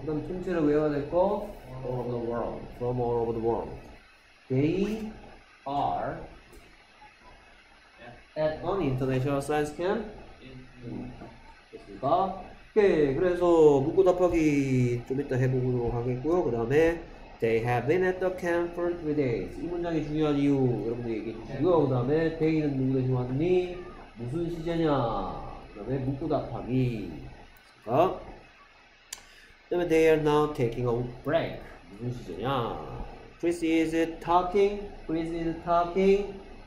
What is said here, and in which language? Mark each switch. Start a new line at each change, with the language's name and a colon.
Korean: 그 다음 통째로 외워야 될 거?
English: All over the world. From all over the world. They are. At an international science camp?
Korean: 됐습니까? 오케이. 그래서 묻고 답하기 좀 이따 해보도록 하겠고요. 그 다음에
English: They have been at the camp for 3 days.
Korean: 이 문장이 중요한 이유 여러분들 얘기해 주시고요. 그 다음에 They는 누구 대신 왔니? 무슨 시제냐? 그 다음에 묻고 답하기 됐습니까? 그 다음에
English: They are now taking a break.
Korean: 무슨 시제냐?
English: Chris is talking? Chris is talking?